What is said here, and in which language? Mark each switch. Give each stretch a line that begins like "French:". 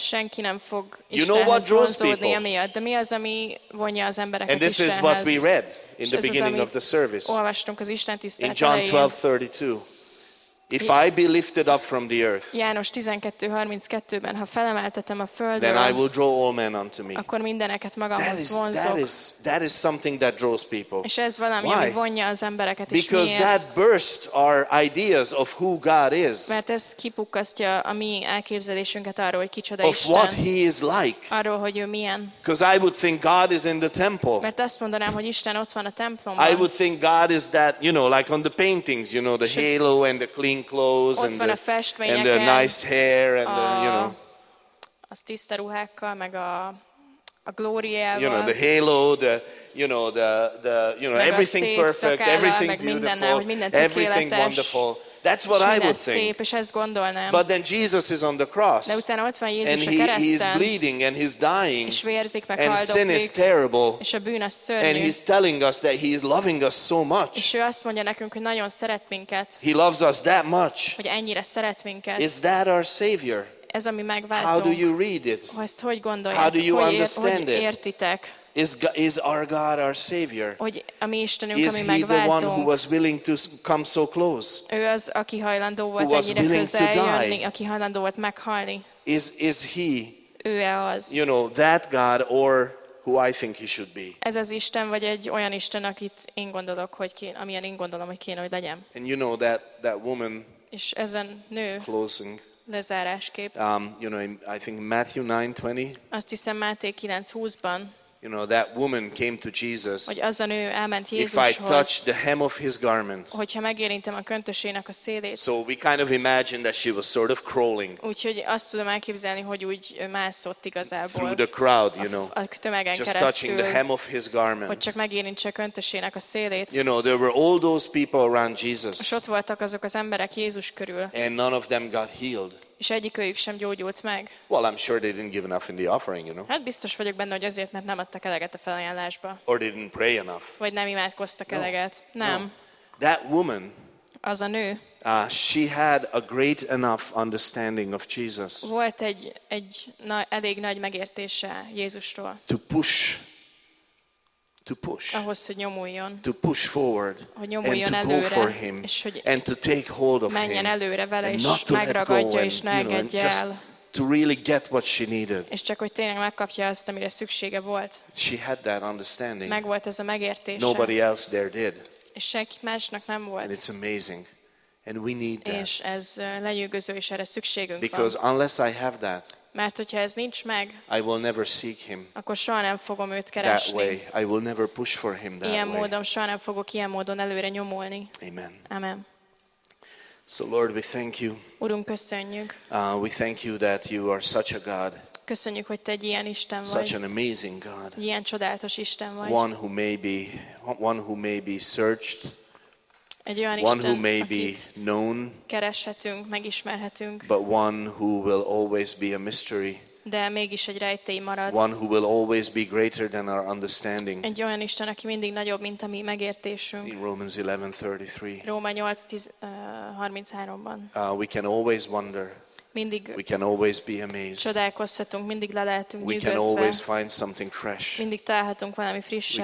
Hungarian: És senki nem fog Istenhez.
English: You know what draws
Hungarian: vonzódni
English: people?
Hungarian: Emiatt. De mi az, ami vonja az embereket
English: And this
Hungarian: Istenhez?
English: Is what we read in the beginning
Hungarian: az,
English: of the service.
Hungarian: Olvastunk az Isten tisztelet elején.
English: In John 12:32. If I be lifted up from the earth,
Hungarian: János 12:32-ben, ha felemeltetem a földön,
English: then I will draw all men unto me.
Hungarian: Akkor mindeneket magamhoz vonzok.
English: That is something that draws people.
Hungarian: És ez valami, ami vonja az embereket is.
English: Because that bursts our ideas of who God is.
Hungarian: Mert ez kipukkasztja a mi elképzelésünket arról, hogy kicsoda Isten.
English: Of what he is like.
Hungarian: Arról, hogy ő milyen.
English: Because I would think God is in the temple.
Hungarian: Mert azt mondanám, hogy Isten ott van a templomban.
English: I would think God is that, you know, like on the paintings, you know, the halo and the clean clothes and the nice hair and the, you know,
Hungarian: az tiszta ruhákkal, meg a glóriával,
English: you know, the halo, the, you know, the, you know, everything perfect, everything beautiful, everything wonderful. That's what I would think.
Hungarian: Szép, és ezt gondolnám.
English: But then Jesus is on the cross.
Hungarian: De utána ott van Jézus
English: and
Hungarian: a kereszten.
English: And he is bleeding and he's dying.
Hungarian: És vérzik, meg
English: and
Hungarian: haldoklik,
English: sin is terrible.
Hungarian: És a bűn az szörnyű.
English: And he's telling us that he is loving us so much.
Hungarian: És ő azt mondja nekünk, hogy nagyon szeret minket.
English: He loves us that much.
Hungarian: Hogy ennyire szeret minket.
English: Is that our Savior?
Hungarian: Ez a mi megváltó.
English: How do you read it?
Hungarian: Ezt hogy gondoljátok?
English: How do you understand
Hungarian: hogy értitek?
English: Is our God our Savior?
Hungarian: Hogy a mi Istenünk,
English: is
Hungarian: ami megváltó.
English: He the one who was willing to come so close?
Hungarian: Ő az, aki hajlandó volt ennyire közel jönni, aki hajlandó volt meghalni.
English: Is he?
Hungarian: Ő-e az?
English: You know that God or who I think he should be?
Hungarian: Ez az Isten vagy egy olyan Isten, akit én gondolok, hogy kéne, amilyen én gondolom, hogy kéne, hogy legyen.
English: And you know that woman.
Hungarian: És ezen nő.
English: Closing.
Hungarian: Lezáráskép.
English: You know, I think Matthew 9:20.
Hungarian: Azt hiszem Máté 9:20-ban.
English: You know that woman came to Jesus.
Hungarian: Hogy az a nő elment Jézushoz.
English: If I touch the hem of his garment.
Hungarian: Hogyha megérintem a köntösének a szélét.
English: So we kind of imagine that she was sort of crawling.
Hungarian: Úgyhogy azt tudom elképzelni, hogy úgy mászott igazából.
English: Through the crowd, you know.
Hungarian: A tömegen keresztül.
English: Just touching the hem of his garment.
Hungarian: Hogy csak megérintse a köntösének a szélét.
English: You know, there were all those people around Jesus.
Hungarian: És ott voltak azok az emberek Jézus körül.
English: And none of them got healed.
Hungarian: És egyikőjük sem gyógyult meg.
English: Well, I'm sure they didn't give enough in the offering, you know.
Hungarian: Hát biztos vagyok benne, hogy azért, mert nem adtak eleget a felajánlásba.
English: Or didn't pray enough.
Hungarian: Vagy nem imádkoztak eleget. Nem.
English: No. That woman.
Hungarian: Az a nő.
English: She had a great enough understanding of Jesus.
Hungarian: Volt elég nagy megértése Jézusról.
English: To push.
Hungarian: Ahhoz, hogy nyomuljon.
English: To push forward.
Hungarian: Hogy nyomuljon
English: and to
Hungarian: előre,
English: go for him.
Hungarian: És hogy
English: and to take hold of
Hungarian: menjen
English: him,
Hungarian: előre vele, és megragadja, és ne engedje el.
English: To really get what she needed.
Hungarian: És csak, hogy tényleg megkapja azt, amire szüksége volt.
English: She had that understanding.
Hungarian: Megvolt ez a megértése.
English: Nobody else there did.
Hungarian: És senki másnak nem volt.
English: And it's amazing. And we need that.
Hungarian: És ez lenyűgöző, és erre szükségünk
English: Because
Hungarian: van.
English: Because unless I have that,
Hungarian: mert hogyha ez nincs meg,
English: I will never seek him.
Hungarian: Akkor soha nem fogom őt keresni.
English: That way, I will never push for him that
Hungarian: ilyen
English: way.
Hungarian: Módon, soha nem fogok ilyen módon előre nyomulni.
English: Amen.
Hungarian: Amen.
English: So Lord, we thank you.
Hungarian: Urunk, köszönjük.
English: We thank you that you are such a God.
Hungarian: Köszönjük, hogy te egy ilyen Isten vagy.
English: Such an amazing God.
Hungarian: Ilyen csodálatos Isten vagy.
English: One who may be searched.
Hungarian: Egy olyan
English: one
Hungarian: Isten,
English: who may be known,
Hungarian: kereshetünk, megismerhetünk.
English: But one who will always be a mystery.
Hungarian: De mégis egy rejtély marad.
English: One who will always be greater than our understanding.
Hungarian: Egy olyan Isten, aki mindig nagyobb, mint a mi megértésünk.
English: In Romans 11:33.
Hungarian: Róma 8:33-ban.
English: We can always wonder.
Hungarian: Mindig.
English: We can always be amazed.
Hungarian: Csodálkozhatunk, mindig le lehetünk nyűgözve.
English: We can always find something fresh.
Hungarian: Mindig találhatunk valami frisset.